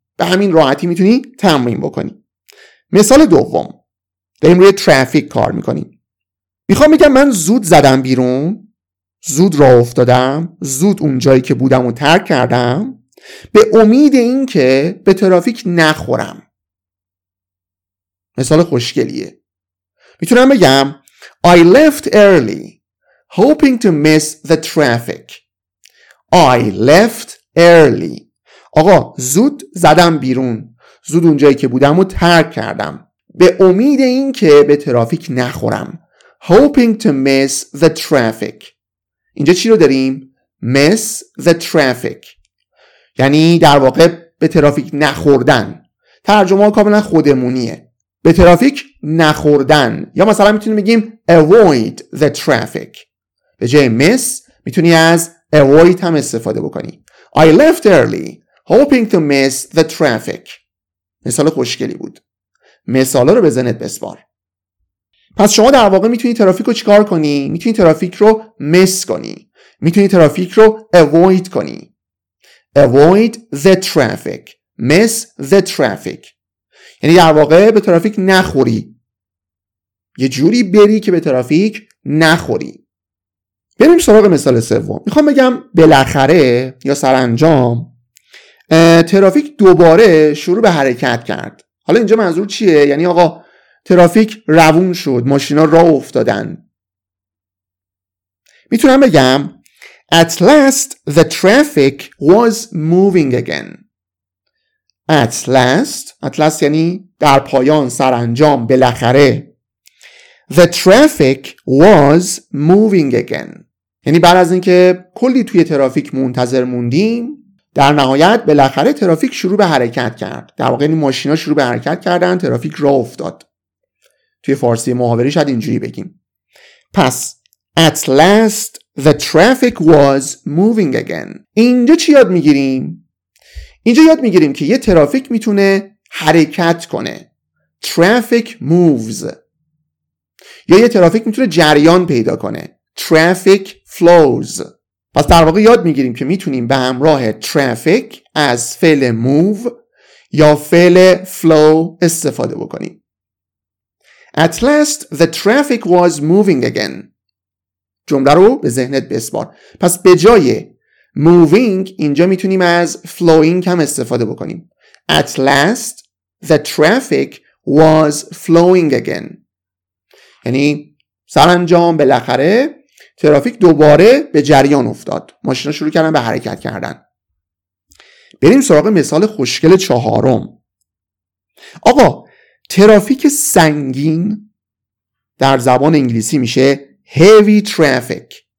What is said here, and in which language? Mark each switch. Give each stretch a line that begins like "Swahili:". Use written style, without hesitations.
Persian: به همین راحتی میتونی تمرین بکنی. مثال دوم. داریم روی ترافیک کار میکنیم. میخوام بگم من زود زدم بیرون. زود راه افتادم. زود اون جایی که بودم رو ترک کردم. به امید این که به ترافیک نخورم. مثال خوشگلیه. میتونم بگم
English: I left early hoping to miss the traffic. I left early.
Persian: آقا زود زدم بیرون، زود اونجایی که بودم رو ترک کردم به امید این که به ترافیک نخورم.
English: Hoping to miss the traffic.
Persian: اینجا چی رو داریم؟
English: Miss the traffic
Persian: یعنی در واقع به ترافیک نخوردن. ترجمه کاملا خودمونیه، به ترافیک نخوردن. یا مثلا میتونیم بگیم
English: avoid the traffic.
Persian: به جای miss میتونی از avoid هم استفاده بکنی.
English: I left early hoping to miss the traffic.
Persian: مثال خوشگلی بود. مثالا رو بزنید بسپار. پس شما در واقع میتونی ترافیک رو چیکار کنی؟ میتونی ترافیک رو miss کنی. میتونی ترافیک رو avoid کنی.
English: Avoid the traffic. Miss the traffic.
Persian: یعنی در واقع به ترافیک نخوری. یه جوری بری که به ترافیک نخوری. بریم سراغ مثال سوم. میخوام بگم بالاخره یا سرانجام ترافیک دوباره شروع به حرکت کرد. حالا اینجا منظور چیه؟ یعنی آقا ترافیک روون شد، ماشینا راه افتادن.
English: میتونم بگم At last the traffic was moving again. At last
Persian: یعنی در پایان، سرانجام، بالاخره.
English: The traffic was moving again.
Persian: یعنی بعد از اینکه کلی توی ترافیک منتظر موندیم، در نهایت بالاخره ترافیک شروع به حرکت کرد. در واقع این ماشینا شروع به حرکت کردن، ترافیک راه افتاد. توی فارسی محاوره شاید اینجوری بگیم.
English: پس At last the traffic was moving again.
Persian: اینجا چی یاد میگیریم؟ اینجا یاد میگیریم که یه ترافیک میتونه حرکت کنه.
English: Traffic moves.
Persian: یا یه ترافیک میتونه جریان پیدا کنه.
English: Traffic flows.
Persian: پس در واقع یاد میگیریم که میتونیم به همراه traffic از فعل move یا فعل flow استفاده بکنیم.
English: At last the traffic was moving again.
Persian: جمله رو به ذهنت بسپار. پس به جای moving اینجا میتونیم از flowing هم استفاده بکنیم.
English: At last the traffic was flowing again.
Persian: یعنی سرانجام بالاخره ترافیک دوباره به جریان افتاد. ماشینا شروع کردن به حرکت کردن. بریم سراغ مثال خوشگل چهارم. آقا ترافیک سنگین در زبان انگلیسی میشه
English: heavy traffic.